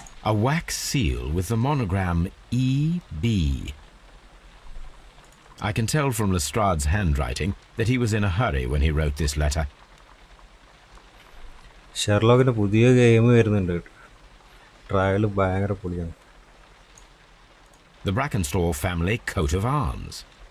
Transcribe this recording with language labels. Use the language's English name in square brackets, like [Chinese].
[English] A wax seal with the monogram EB. I can tell from Lestrade's handwriting that he was in a hurry when he wrote this letter. [Malayalam] ഷെർലോക്കിൻ്റെ പുതിയ game വരുന്നുണ്ട് കേട്ടോ trial ഭയങ്കര പൊളിയാണ് [English] The Brackenstall family coat of arms.